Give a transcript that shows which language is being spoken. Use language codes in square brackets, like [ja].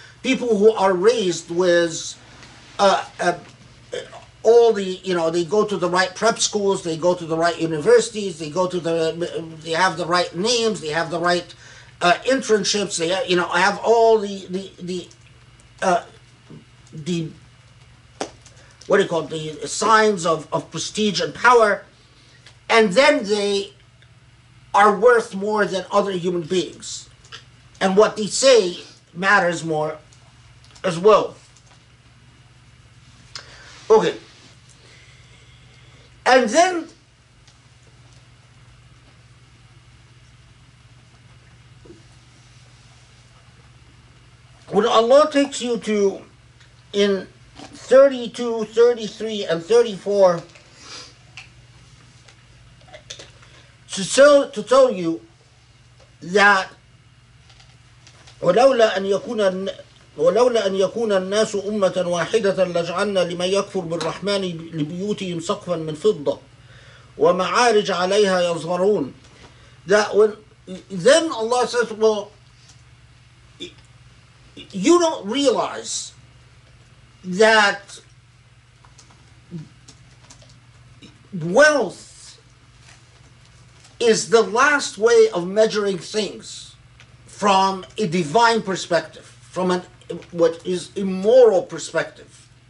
[en] People who are raised with all the, you know, they go to the right prep schools, they go to the right universities, they go to the, they have the right names, they have the right internships, they, you know, have all the signs of prestige and power, and then they are worth more than other human beings, and what they say matters more as well. Okay. And then when Allah takes you to in 32, 33, and 34 to tell you that [ar] وَلَوْلَا أَن يَكُونَ ولولا أن يكون الناس أمة واحدة لجعلنا لمن يكفر بالرحمن لبيوتهم سقفا من فضة ومعارج عليها يظهرون. [en] Then Allah says, well, you don't realize that wealth is the last way of measuring things from a divine perspective, from an what is immoral perspective.